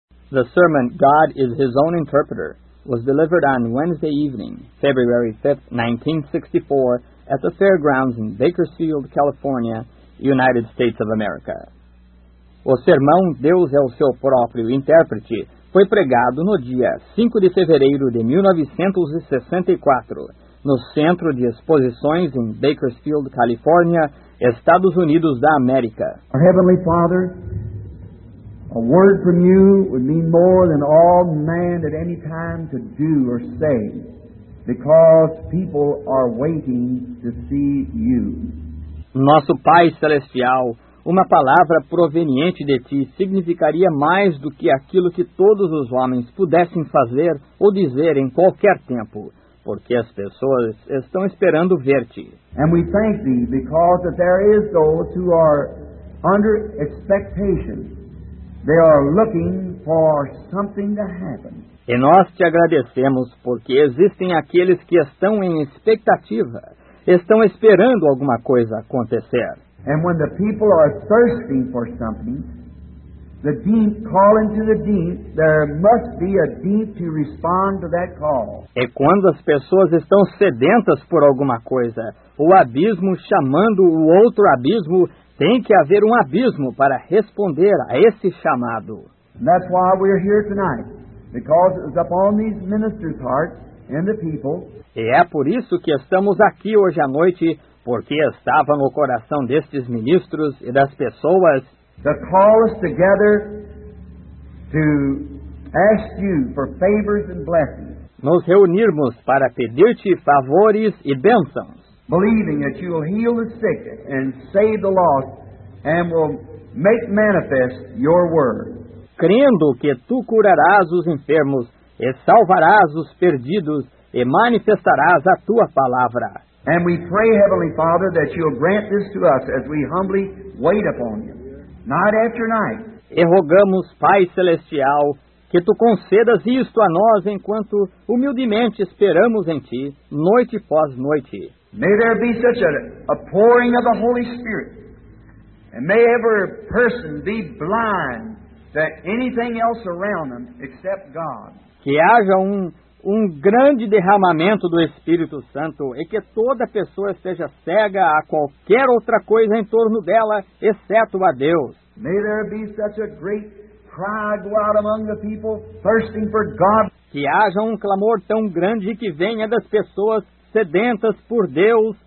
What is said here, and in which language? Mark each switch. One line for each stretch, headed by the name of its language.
English: The sermon, God is His Own Interpreter, was delivered on Wednesday evening, February 5, 1964, at the fairgrounds in Bakersfield, California, United States of America.
Portuguese: O sermão Deus é o Seu Próprio Intérprete foi pregado no dia 5 de fevereiro de 1964, no Centro de Exposições em Bakersfield, California, Estados Unidos da América.
English: Our Heavenly Father, a word from you would mean more than all man at any time could do or say, because people are waiting to see you.
Portuguese: Nosso Pai Celestial, uma palavra proveniente de Ti significaria mais do que aquilo que todos os homens pudessem fazer ou dizer em qualquer tempo, porque as pessoas estão esperando ver-Te.
English: And we thank Thee because that there is those who are under expectation. They are looking for something to happen.
Portuguese: E nós Te agradecemos porque existem aqueles que estão em expectativa, estão esperando alguma coisa acontecer.
English: And when the people are thirsting for something, the deep calling to the deep, there must be a deep to respond to that call.
Portuguese: E quando as pessoas estão sedentas por alguma coisa, o abismo chamando o outro abismo, tem que haver um abismo para responder a esse chamado.
English: That's why we're here tonight, because it's upon these ministers' hearts and the people.
Portuguese: E é por isso que estamos aqui hoje à noite, porque estava no coração destes ministros e das pessoas.
English: To call us together to ask you for favors and blessings.
Portuguese: Nos reunirmos para pedir-te favores e bênçãos.
English: Believing that you will heal the sick and save the lost and will make manifest your word.
Portuguese: Crendo que tu curarás os enfermos e salvarás os perdidos e manifestarás a tua palavra.
English: And we pray, Heavenly Father, that you'll grant this to us as we humbly wait upon you, night after night.
Portuguese: E rogamos, Pai Celestial, que tu concedas isto a nós enquanto humildemente esperamos em ti, noite após noite.
English: May there be such a pouring of the Holy Spirit, and may every person be blind to anything else around them except God.
Portuguese: Que haja um grande derramamento do Espírito Santo e que toda pessoa esteja cega a qualquer outra coisa em torno dela, exceto a Deus.
English: May there be such a great cry go out among the people thirsting for God.
Portuguese: Que haja um clamor tão grande que venha das pessoas sedentas por Deus.